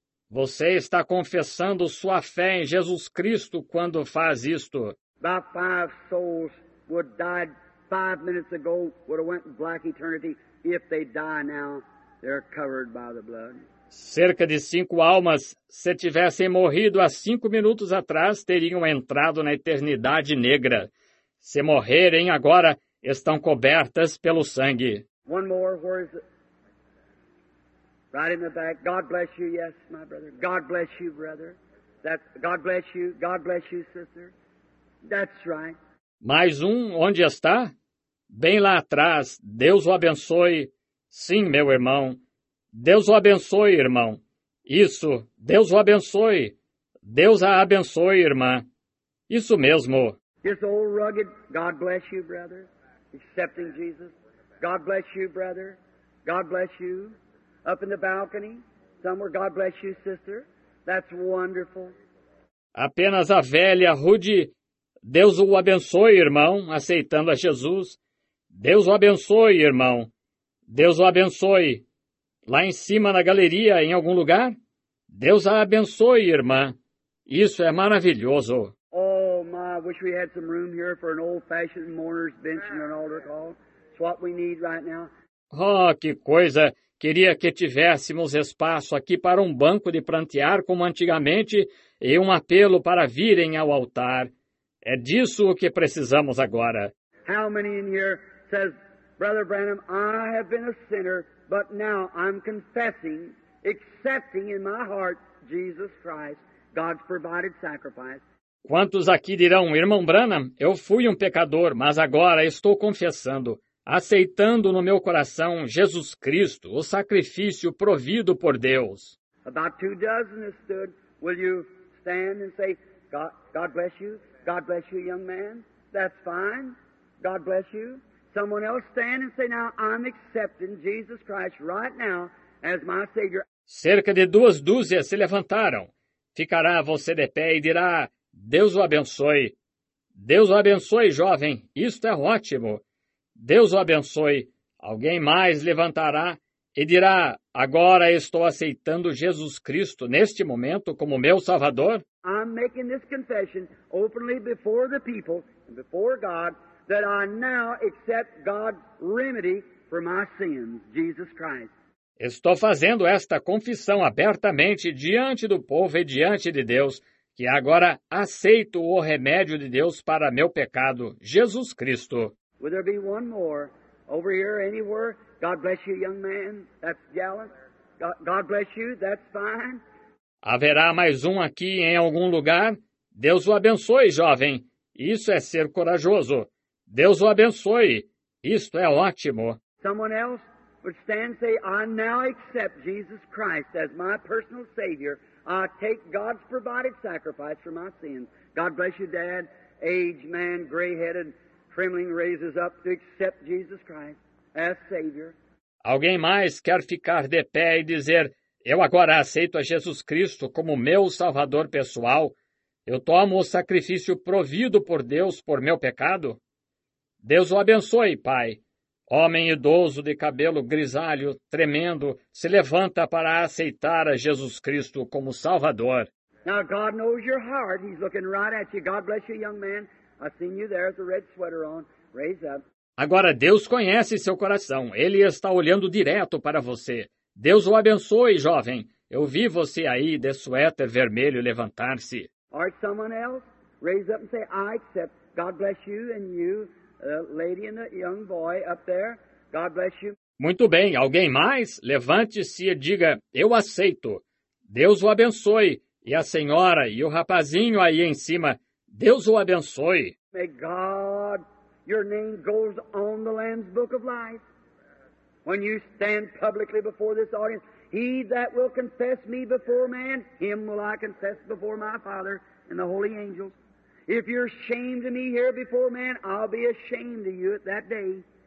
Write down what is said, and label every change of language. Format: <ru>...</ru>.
<pt>Você está confessando sua fé em Jesus Cristo quando faz isto.</pt> <en>About five souls would die 5 minutes ago, would have went in black eternity. If they die now, they're covered by the blood.</en> <pt>Cerca de 5 almas, se tivessem morrido há 5 minutos atrás, teriam entrado na eternidade negra. Se morrerem agora, estão cobertas pelo sangue.</pt> <en>One more, where is it? Right in the back. God bless you, yes, my brother. God bless you, brother. God bless you. God bless you, sister. That's right.</en> <pt>Mais um, onde está? Bem lá atrás. Deus o abençoe. Sim, meu irmão. Deus o abençoe, irmão. Isso. Deus o abençoe. Deus a abençoe, irmã. Isso mesmo.</pt> <en>This old rugged, God bless you, brother, accepting Jesus. God bless you, brother. God bless you. Up in the balcony, somewhere, God bless you, sister. That's wonderful.</en> <pt>Apenas a velha, rude, Deus o abençoe, irmão, aceitando a Jesus. Deus o abençoe, irmão. Deus o abençoe. Lá em cima, na galeria, em algum lugar, Deus a abençoe, irmã. Isso é maravilhoso.</pt> <en>I wish we had some room here for an old-fashioned mourner's bench and an altar call. It's what we need right now.</en> <pt>Oh, que coisa! Queria que tivéssemos espaço aqui para um banco de prantear como antigamente e um apelo para virem ao altar. É disso que precisamos agora.</pt> <en>How many in here says, Brother Branham, I have been a sinner, but now I'm confessing, accepting in my heart Jesus Christ, God's provided sacrifice.</en> <pt>Quantos aqui dirão, irmão Branham, eu fui um pecador, mas agora estou confessando, aceitando no meu coração Jesus Cristo, o sacrifício provido por Deus.</pt> <en>About 2 dozen stood. Will you stand and say, God bless you. God bless you, young man. That's fine. God bless you. Someone else stand and say, now I'm accepting Jesus Christ right now as my Savior.</en> <pt>Cerca de 2 dúzias se levantaram. Ficará você de pé e dirá, Deus o abençoe. Deus o abençoe, jovem. Isto é ótimo. Deus o abençoe. Alguém mais levantará e dirá, agora estou aceitando Jesus Cristo neste momento como meu Salvador?</pt> <en>I'm making this confession openly before the people and before God that I now accept God's remedy for my sins, Jesus Christ.</en> <pt>Estou fazendo esta confissão abertamente diante do povo e diante de Deus, que agora aceito o remédio de Deus para meu pecado, Jesus Cristo.</pt> <en>Will there be one more? Over here, anywhere? God bless you, young man. That's gallant. God bless you. That's fine.</en> <pt>Haverá mais um aqui em algum lugar? Deus o abençoe, jovem. Isso é ser corajoso. Deus o abençoe. Isto é ótimo.</pt> <en>Someone else would stand and say, I now accept Jesus Christ as my personal Savior. I take God's provided sacrifice for my sins. God bless you, Dad. Aged man, gray-headed, trembling, raises up to accept Jesus Christ as Savior.</en> <pt>Alguém mais quer ficar de pé e dizer, eu agora aceito a Jesus Cristo como meu Salvador pessoal. Eu tomo o sacrifício provido por Deus por meu pecado. Deus o abençoe, Pai. Homem idoso de cabelo grisalho, tremendo, se levanta para aceitar a Jesus Cristo como Salvador.</pt> <en>Now God knows your heart. He's looking right at you. God bless you, young man. I seen you there with the red sweater on. Raise up.</en> <pt>Agora Deus conhece seu coração. Ele está olhando direto para você. Deus o abençoe, jovem. Eu vi você aí de suéter vermelho levantar-se.</pt> <en>Or someone else, raise up and say, I accept. God bless you and you, lady and the young boy up there. God bless you.</en> <pt>Muito bem. Alguém mais? Levante-se e diga, eu aceito. Deus o abençoe. E a senhora e o rapazinho aí em cima, Deus o abençoe.</pt> <en>May God, your name goes on the Lamb's Book of Life. When you stand publicly before this audience, he that will confess me before man, him will I confess before my Father and the holy angels. If you're ashamed of me here before man, I'll be ashamed of you at that day.</en>